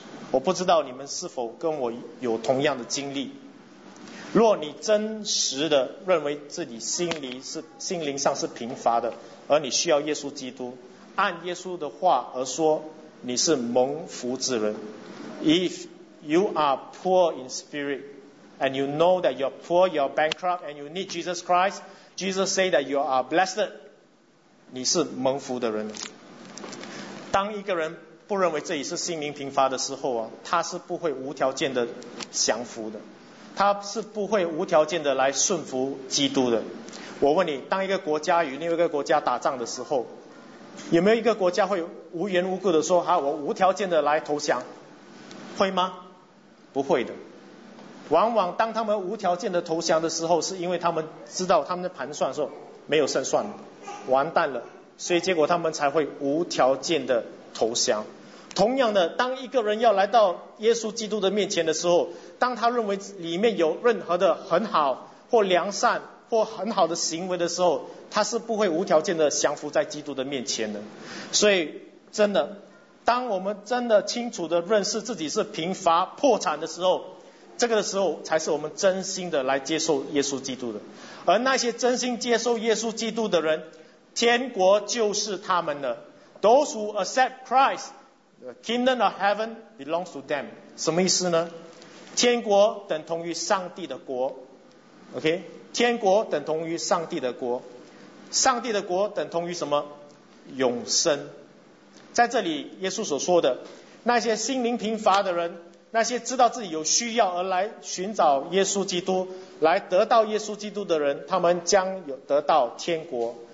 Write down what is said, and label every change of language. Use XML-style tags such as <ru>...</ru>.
<zh>我不知道你们是否跟我有同样的经历，若你真实的认为自己心灵上是贫乏的，而你需要耶稣基督，按耶稣的话而说，你是蒙福之人。</zh> <en>If you are poor in spirit and you know that you're poor, you're bankrupt and you need Jesus Christ, Jesus say that you are blessed,</en> <zh>你是蒙福的人。当一个人不认为这里是心灵贫乏的时候啊，他是不会无条件的降服的，他是不会无条件的来顺服基督的。我问你，当一个国家与另一个国家打仗的时候，有没有一个国家会无缘无故的说啊，我无条件的来投降，会吗？不会的。往往当他们无条件的投降的时候，是因为他们知道他们的盘算说没有胜算了，完蛋了，所以结果他们才会无条件的投降。同样的，当一个人要来到耶稣基督的面前的时候，当他认为里面有任何的很好或良善或很好的行为的时候，他是不会无条件的降服在基督的面前的。所以真的，当我们真的清楚的认识自己是贫乏破产的时候，这个时候才是我们真心的来接受耶稣基督的。而那些真心接受耶稣基督的人，天国就是他们的。</zh> <en>Those who accept Christ, the kingdom of heaven belongs to them.</en> <zh>什么意思呢？天国等同于上帝的国， OK? 天国等同于上帝的国，上帝的国等同于什么？永生。在这里耶稣所说的那些心灵贫乏的人，那些知道自己有需要而来寻找耶稣基督，来得到耶稣基督的人，他们将有得到天国。</zh>